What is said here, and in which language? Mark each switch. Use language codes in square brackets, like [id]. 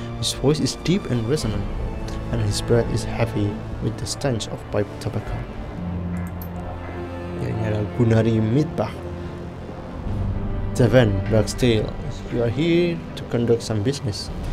[en] His voice is deep and resonant, and his breath is heavy with the stench of pipe tobacco. [id] Ya, ini adalah Gunari Mitbah. [en] Devon, Blacksteel, you are here to conduct some business.